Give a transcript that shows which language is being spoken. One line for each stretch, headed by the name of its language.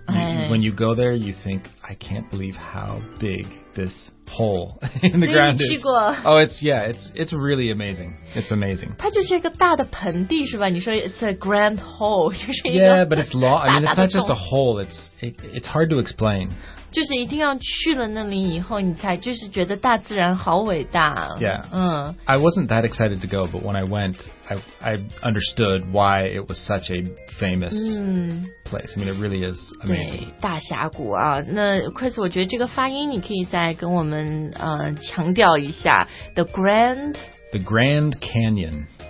English: You, when you go there, you think, I can't believe how big this hole in the ground is.
Chinese: 所以你去过。
English: Oh, it's, yeah, it's really amazing. It's amazing.
Chinese: 它就是一个大的盆地是吧？你说
English: it's a grand hole,
Chinese: 就是一个
English: Yeah, but it's long. I mean, it's not just a hole. It's hard to explain.
Chinese: 就是一定要去了那里以后你才就是觉得大自然好伟大。
English: Yeah. I wasn't that excited to go, but when I went, I understood why it was such a famous place. I mean, it really is amazing.
Chinese: 对，大峡谷啊。那 Chris, 我觉得这个发音你可以再跟我们强调一下。
English: The Grand Canyon.